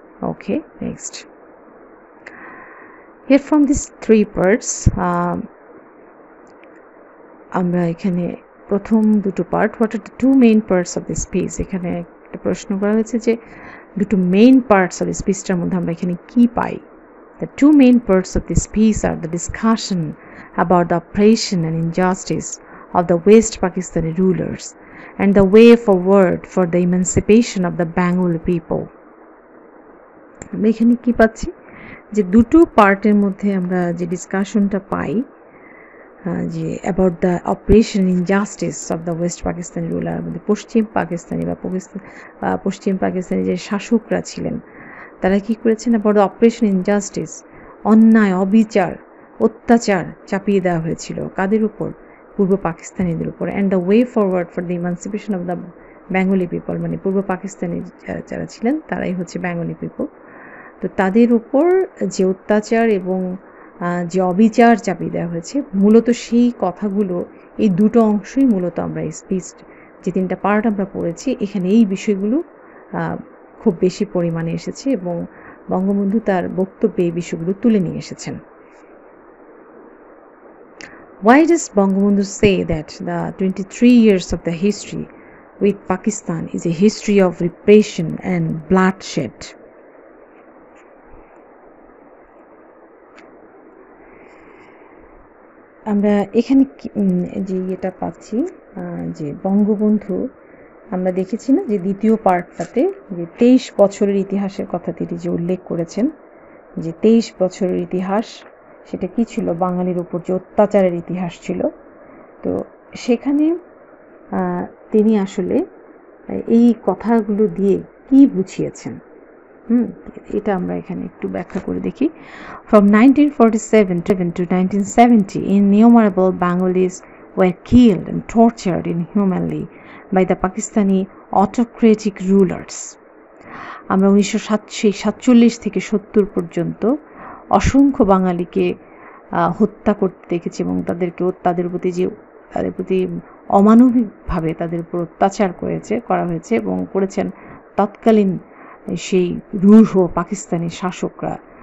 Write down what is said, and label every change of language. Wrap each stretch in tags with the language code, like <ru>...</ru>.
<bn>Okay, next,</bn> <en>here from this three parts,</en> <bn>আমরা এখানে প্রথম দুটো part,</bn> <en>what are the two main parts of this piece,</en> <bn>এখানে একটা প্রশ্ন করা হয়েছে যে দুটো মেইন পার্টস অফ দিস পিসটার মধ্যে আমরা এখানে কী পাই।</bn> <en>The two main parts of this piece are the discussion about the oppression and injustice of the West Pakistani rulers and the way forward for the emancipation of the Bengal people.</en> <bn>এখানে কি পাচ্ছি, যে দুটো পার্টের মধ্যে আমরা যে ডিসকাশনটা পাই, যে</bn> <en>about the operation injustice of the West Pakistani ruler,</en> <bn>মধ্যে পশ্চিম পাকিস্তানি বা পশ্চিম পাকিস্তানি যে শাসকরা ছিলেন, তারা কী করেছেন,</bn> <en>about the operation injustice,</en> <bn>অন্যায়, অবিচার, অত্যাচার চাপিয়ে দেওয়া হয়েছিল কাদের উপর, পূর্ব পাকিস্তানিদের উপর।</bn> <en>and the way forward for the emancipation of the Bengali people,</en> <bn>মানে পূর্ব পাকিস্তানি যারা ছিলেন তারাই হচ্ছে বেঙ্গলি পিপল। তো তাদের উপর যে অত্যাচার এবং যে অবিচার চাপিয়ে দেওয়া হয়েছে, মূলত সেই কথাগুলো, এই দুটো অংশই মূলত আমরা এই স্পিচ যে তিনটা পার্ট আমরা পড়েছি, এখানে এই বিষয়গুলো খুব বেশি পরিমাণে এসেছে এবং বঙ্গবন্ধু তার বক্তব্যে এই বিষয়গুলো তুলে নিয়ে এসেছেন।</bn> <en>Why does Bangabandhu say that the 23 years of the history with Pakistan is a history of repression and bloodshed.</en> <bn>আমরা এখানে যে ইয়েটা পাচ্ছি যে বঙ্গবন্ধু আমরা দেখেছি না যে দ্বিতীয় পার্টটাতে যে 23 বছরের ইতিহাসের কথা তিনি যে উল্লেখ করেছেন, যে 23 বছরের ইতিহাস সেটা কী ছিল, বাঙালির উপর যে অত্যাচারের ইতিহাস ছিল, তো সেখানে তিনি আসলে এই কথাগুলো দিয়ে কি বুঝিয়েছেন এটা আমরা এখানে একটু ব্যাখ্যা করে দেখি।</bn> <en>From 1947 to 1970 innumerable Bengalis were killed and tortured inhumanly by the Pakistani autocratic rulers.</en> <bn>আমরা 1947-47 থেকে 70 পর্যন্ত অসংখ্য বাঙালিকে হত্যা করতে দেখেছি এবং তাদেরকেও তাদের প্রতি অমানবিকভাবে তাদের উপর অত্যাচার করা হয়েছে এবং করেছেন তৎকালীন সেই রূঢ় পাকিস্তানি শাসকরা।</bn>